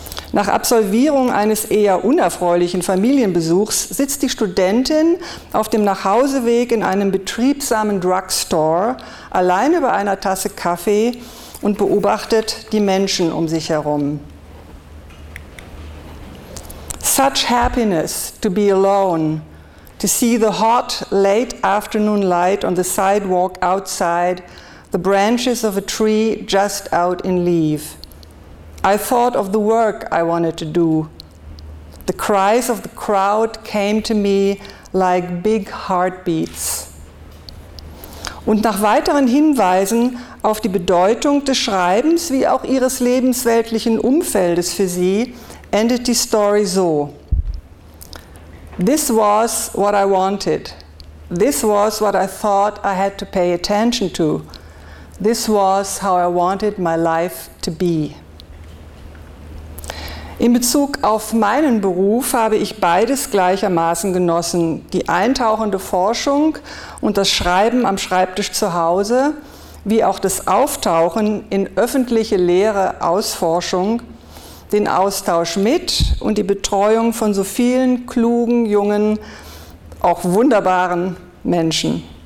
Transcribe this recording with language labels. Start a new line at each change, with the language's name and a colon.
German: Nach Absolvierung eines eher unerfreulichen Familienbesuchs sitzt die Studentin auf dem Nachhauseweg in einem betriebsamen Drugstore allein über einer Tasse Kaffee und beobachtet die Menschen um sich herum.
English: Such happiness to be alone, to see the hot late afternoon light on the sidewalk outside, the branches of a tree just out in leaf. I thought of the work I wanted to do. The cries of the crowd came to me like big heartbeats.
German: Und nach weiteren Hinweisen auf die Bedeutung des Schreibens wie auch ihres lebensweltlichen Umfeldes für sie endet die Story so.
English: This was what I wanted. This was what I thought I had to pay attention to. This was how I wanted my life to be.
German: In Bezug auf meinen Beruf habe ich beides gleichermaßen genossen, die eintauchende Forschung und das Schreiben am Schreibtisch zu Hause, wie auch das Auftauchen in öffentliche Lehre, Ausforschung, den Austausch mit und die Betreuung von so vielen klugen, jungen, auch wunderbaren Menschen.